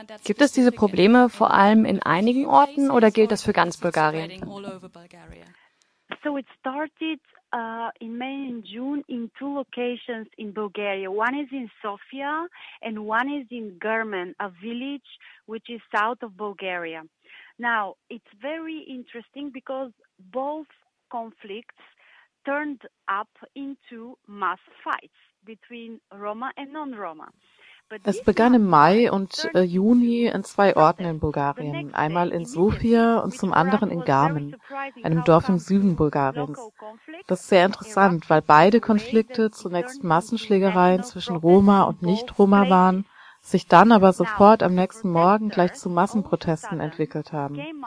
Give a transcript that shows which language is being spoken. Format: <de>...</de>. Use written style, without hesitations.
<de>gibt es diese Probleme vor allem in einigen Orten oder gilt das für ganz Bulgarien?</de> <en>So it started in May and June in two locations in Bulgaria. One is in Sofia and one is in German, a village which is south of Bulgaria. Now, it's very interesting because both conflicts turned up into mass fights between Roma and non-Roma.</en> <de>Es begann im Mai und Juni in zwei Orten in Bulgarien, einmal in Sofia und zum anderen in Garmen, einem Dorf im Süden Bulgariens. Das ist sehr interessant, weil beide Konflikte zunächst Massenschlägereien zwischen Roma und Nicht-Roma waren, sich dann aber sofort am nächsten Morgen gleich zu Massenprotesten entwickelt haben.</de>